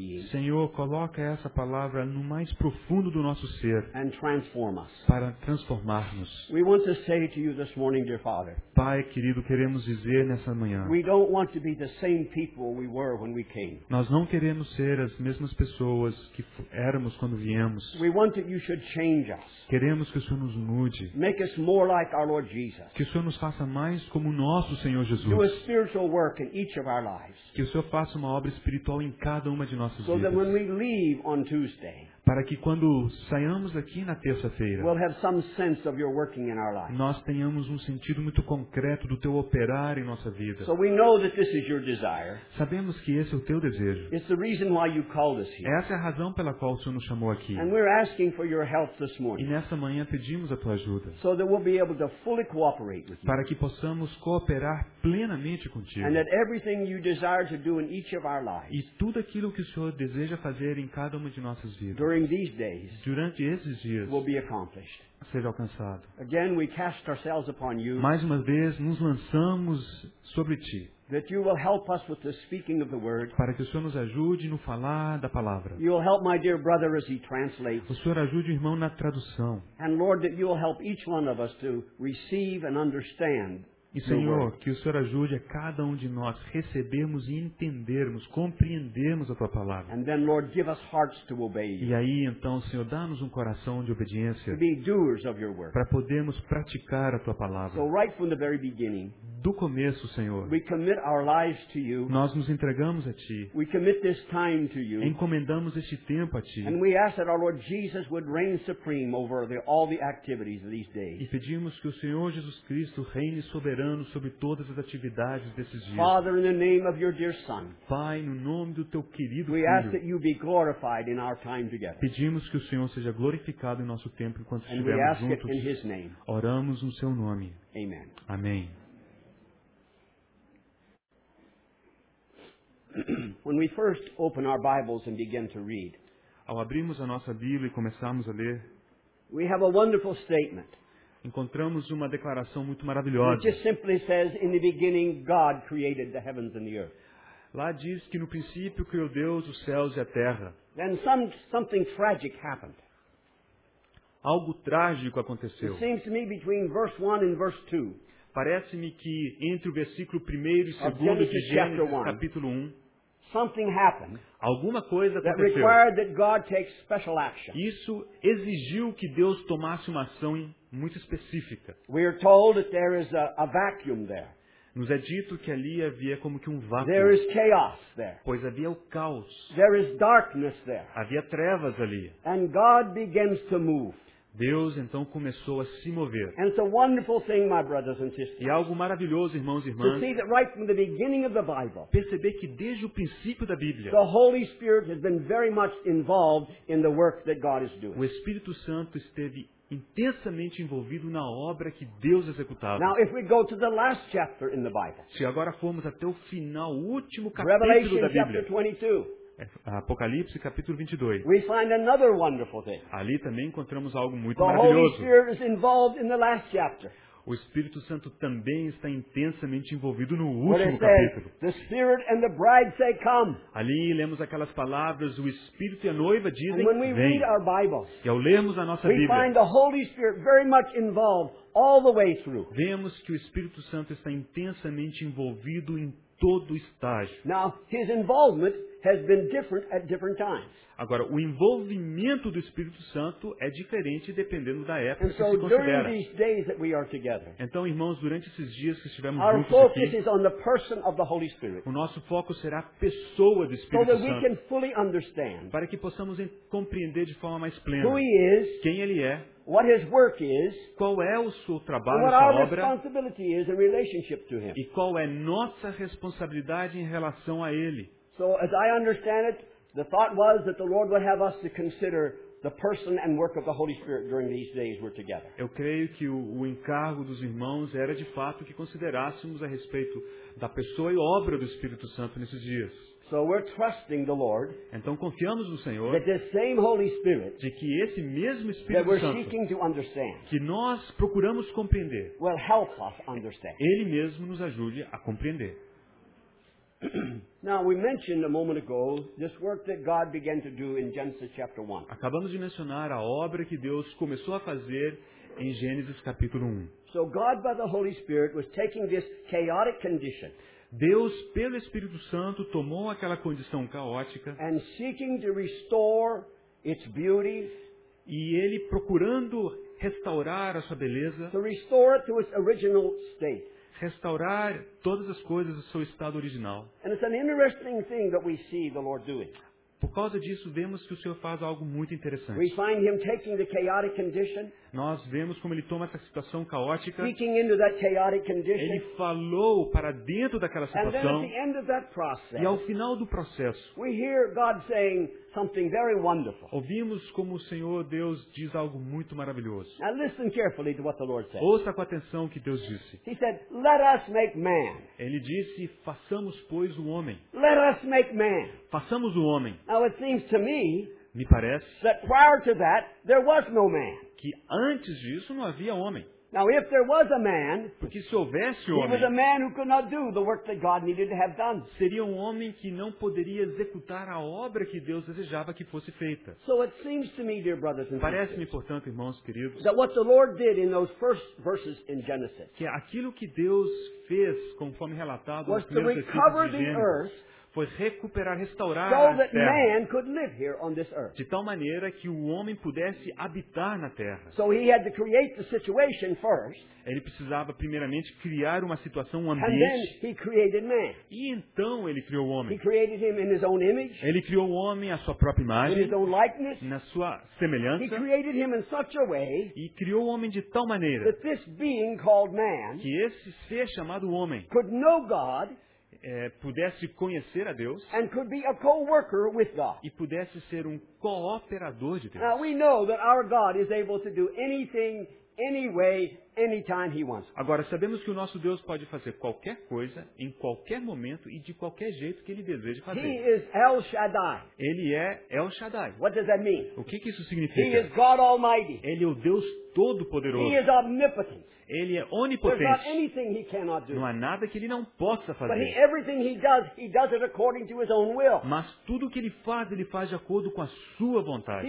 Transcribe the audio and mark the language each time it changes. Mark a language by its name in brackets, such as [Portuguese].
[Portuguese] Senhor, coloque essa palavra no mais profundo do nosso ser. Para transformar-nos. [English] We want to say to you this morning, dear Father. [Portuguese] Pai querido, queremos dizer nessa manhã. [English] We don't want to be the same people we were when we came. [Portuguese] Nós não queremos ser as mesmas pessoas que éramos quando viemos. [English] We want that you should change us. [Portuguese] Queremos que o Senhor nos mude. [English] Make us more like our Lord Jesus. [Portuguese] Que o Senhor nos faça mais como o nosso Senhor Jesus. [English] Do a spiritual work in each of our lives. [Portuguese] Que o Senhor faça uma obra espiritual em cada uma de nossas vidas. [English] So that when we leave on Tuesday, [Portuguese] para que quando saiamos aqui na terça-feira, [English] we'll have some sense of your working in our lives. [Portuguese] Nós tenhamos um sentido muito concreto do Teu operar em nossa vida. [English] So we know that this is your desire. [Portuguese] Sabemos que esse é o Teu desejo. [English] It's the reason why you called us here. [Portuguese] Essa é a razão pela qual o Senhor nos chamou aqui. [English] And we're asking for your help this morning. [Portuguese] E nessa manhã pedimos a Tua ajuda. [English] So that we'll be able to fully cooperate with you. [Portuguese] Para que possamos cooperar plenamente contigo. [English] And that everything you desire to do in each of our lives. [Portuguese] E tudo aquilo que o Senhor deseja fazer em cada uma de nossas vidas. Durante esses dias [English] will be accomplished. [Portuguese] Seja alcançado. [English] Again, we cast ourselves upon you. [Portuguese] Mais uma vez, nos lançamos sobre Ti. [English] That you will help us with the speaking of the word. [Portuguese] Para que o Senhor nos ajude no falar da palavra. [English] You will help my dear brother as he translates. [Portuguese] O Senhor ajude o irmão na tradução. [English] And Lord, that you will help each one of us to receive and understand. [Portuguese] E Senhor, que o Senhor ajude a cada um de nós recebermos e entendermos, compreendermos a Tua Palavra. [English] And then, Lord, give us hearts to obey. [Portuguese] E aí então, Senhor, dá-nos um coração de obediência [English] to be doers of your word. [Portuguese] Para podermos praticar a Tua Palavra. [English] So, right from the very beginning, [Portuguese] do começo, Senhor, [English] we commit our lives to you, [Portuguese] nós nos entregamos a Ti. [English] We commit this time to you, [Portuguese] encomendamos este tempo a Ti. [English] And we ask that our Lord Jesus would reign supreme over all the activities of these days. [Portuguese] E pedimos que o Senhor Jesus Cristo reine soberano sobre todas as atividades desses dias. [English] Father, in the name of your dear son, [Portuguese] Pai, no nome do Teu querido [English] we [Portuguese] Filho, [English] ask that you be glorified in our time together. [Portuguese] Pedimos que o Senhor seja glorificado em nosso tempo enquanto [English] and [Portuguese] estivermos juntos. [English] We ask it in his name. [Portuguese] Oramos no Seu nome. [English] Amen. [Portuguese] Amém. [English] When we first open our Bibles and begin to read, [Portuguese] ao abrirmos a nossa Bíblia e começarmos a ler, [English] we have a wonderful statement. [Portuguese] Encontramos uma declaração muito maravilhosa. [English] It just simply says, in the beginning, God created the heavens and the earth. [Portuguese] Lá diz que no princípio criou Deus os céus e a terra. [English] Then something tragic happened. [Portuguese] Algo trágico aconteceu. [English] It seems to me between verse 1 and verse 2. [Portuguese] Parece-me que entre o versículo 1 e 2 de Gênesis, capítulo 1, [English] something happened. [Portuguese] Alguma coisa aconteceu. [English] That required that God take special action. [Portuguese] Isso exigiu que Deus tomasse uma ação muito específica. [English] We are told that there is a vacuum there. [Portuguese] Nos é dito que ali havia como que um vácuo. [English] There is chaos there. [Portuguese] Pois havia o caos. [English] There is darkness there. [Portuguese] Havia trevas ali. [English] And God begins to move. [Portuguese] Deus então começou a se mover. [English] And it's a wonderful thing, my brothers and sisters, [Portuguese] e algo maravilhoso, irmãos e irmãs, [English] to see that right from the beginning of the Bible, [Portuguese] perceber que desde o princípio da Bíblia, [English] the Holy Spirit has been very much involved in the work that God is doing. [Portuguese] O Espírito Santo esteve intensamente envolvido na obra que Deus executava. [English] Now, if we go to the last chapter in the Bible, [Portuguese] se agora formos até o final, o último capítulo da Bíblia, Apocalipse capítulo 22, [English] we find another wonderful thing. [Portuguese] Ali também encontramos algo muito [English] the [Portuguese] maravilhoso. [English] Holy Spirit is involved in the last chapter. [Portuguese] O Espírito Santo também está intensamente envolvido no último capítulo. [English] The Spirit and the bride say, come. [Portuguese] Ali lemos aquelas palavras, o Espírito e a noiva dizem, [English] and when we [Portuguese] vem. [English] Read our Bibles, [Portuguese] e ao lermos a nossa [English] we [Portuguese] Bíblia, [English] find the Holy Spirit very much involved all the way through. [Portuguese] Vemos que o Espírito Santo está intensamente envolvido em todo o estágio. [English] Now, his involvement has been different at different times. [Portuguese] Agora, o envolvimento do Espírito Santo é diferente dependendo da época [English] and [Portuguese] que [English] so [Portuguese] se considera. [English] During these days that we are together, [Portuguese] então, irmãos, durante esses dias que estivermos [English] our [Portuguese] juntos [English] focus [Portuguese] aqui, [English] is on the person of the Holy Spirit, [Portuguese] o nosso foco será a pessoa do Espírito [English] so that [Portuguese] Santo [English] we can fully understand [Portuguese] para que possamos compreender de forma mais plena [English] who he is, [Portuguese] quem Ele é, [English] what his work is, [Portuguese] qual é o seu trabalho, [English] what [Portuguese] sua [English] our [Portuguese] obra, [English] responsibility is in relationship to him. [Portuguese] E qual é nossa responsabilidade em relação a Ele. [English] So as I understand it, the thought was that the Lord would have us to consider the person and work of the Holy Spirit during these days we're together. [Portuguese] Eu creio que o encargo dos irmãos era de fato que considerássemos a respeito da pessoa e obra do Espírito Santo nesses dias. [English] So we're trusting the Lord. [Portuguese] Então confiamos no Senhor. [English] That the same Holy Spirit. [Portuguese] De que esse mesmo Espírito Santo. [English] That we're seeking to understand. [Portuguese] Que nós procuramos compreender. [English] Will help us understand. [Portuguese] Ele mesmo nos ajude a compreender. [English] Now we mentioned a moment ago this work that God began to do in Genesis chapter 1. [Portuguese] Acabamos de mencionar a obra que Deus começou a fazer em Gênesis capítulo 1. [English] So God by the Holy Spirit was taking this chaotic condition. [Portuguese] Deus pelo Espírito Santo tomou aquela condição caótica [English] and seeking to restore its beauty, [Portuguese] e ele procurando restaurar a sua beleza, [English] to restore it to its original state. [Portuguese] Restaurar todas as coisas ao seu estado original. [English] And it's an interesting thing that we see the Lord doing. [Portuguese] Por causa disso, vemos que o Senhor faz algo muito interessante. [English] We find him taking the chaotic condition, [Portuguese] nós vemos como ele toma essa situação caótica. [English] Speaking into that chaotic condition, [Portuguese] ele falou para dentro daquela situação. [English] And then at the end of that process, [Portuguese] e ao final do processo, [English] we hear God saying something very wonderful. [Portuguese] Ouvimos como o Senhor Deus diz algo muito maravilhoso. [English] Now listen carefully to what the Lord said. [Portuguese] Ouça com atenção o que Deus disse. [English] He said, "Let us make man." [Portuguese] Ele disse, façamos pois o homem. [English] Let us make man. [Portuguese] Façamos o homem. [English] Now it seems to me, [Portuguese] me parece, [English] that prior to that, there was no man. [Portuguese] Que antes disso não havia homem. [English] Now, if there was a man, [Portuguese] porque se houvesse homem, [English] he was a man who could not do the work that God needed to have done. [Portuguese] Seria um homem que não poderia executar a obra que Deus desejava que fosse feita. [English] So it seems to me, dear brothers and sisters, [Portuguese] parece-me, portanto, irmãos queridos, [English] that what the Lord did in those first verses in Genesis, [Portuguese] que aquilo que Deus fez, conforme relatado nos primeiros versículos de Gênesis, [English] was to recover the earth, [Portuguese] foi recuperar, restaurar [English] so [Portuguese] a terra, [English] man could live here on this earth. [Portuguese] De tal maneira que o homem pudesse habitar na terra. [English] So he had to create the situation first, [Portuguese] ele precisava primeiramente criar uma situação, um ambiente. [English] And then he created man. [Portuguese] E então ele criou o homem. [English] He created him in his own image, [Portuguese] ele criou o homem à sua própria imagem, [English] in his own likeness, [Portuguese] na sua semelhança. [English] He created him in such a way, [Portuguese] e criou o homem de tal maneira [English] that this being called man, [Portuguese] que esse ser chamado homem [English] could know God, [Portuguese] pudesse conhecer a Deus, [English] and could be a co-worker with God. [Portuguese] E pudesse ser um cooperador de Deus. [English] Now we know that our God is able to do anything any way, anytime he wants. [Portuguese] Agora, sabemos que o nosso Deus pode fazer qualquer coisa, em qualquer momento e de qualquer jeito que ele deseja fazer. [English] He is El Shaddai. [Portuguese] Ele é El Shaddai. [English] What does that mean? [Portuguese] O que isso significa? [English] He is God Almighty. [Portuguese] Ele é o Deus Todo-Poderoso. [English] He is omnipotent. [Portuguese] Ele é onipotente. [English] There's not anything he cannot do. [Portuguese] Não há nada que ele não possa fazer. [English] But everything he does it according to his own will. [Portuguese] Mas tudo que ele faz de acordo com a sua vontade.